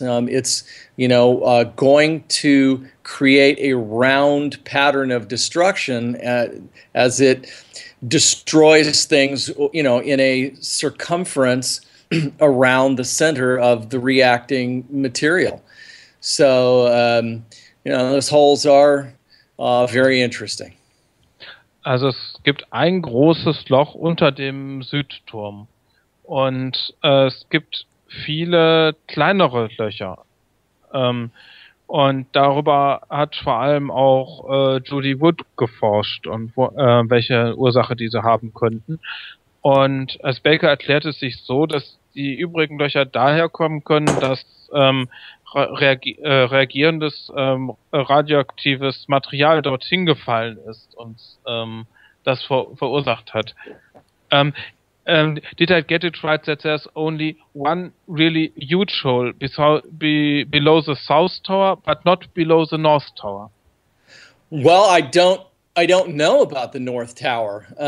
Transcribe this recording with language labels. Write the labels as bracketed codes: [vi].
[en] It's, you know, going to create a round pattern of destruction as it destroys things, you know, in a circumference around the center of the reacting material. So, you know, those holes are very interesting. [de] Also es gibt ein großes Loch unter dem Südturm und es gibt viele kleinere Löcher. Und darüber hat vor allem auch Judy Wood geforscht und welche Ursache diese haben könnten. Und als Baker erklärt es sich so, dass die übrigen Löcher daher kommen können, dass reagierendes radioaktives Material dorthin gefallen ist und das verursacht hat. [en] Detail Gettit writes that there's only one really huge hole below the South Tower, but not below the North Tower. Well, I don't know about the North Tower.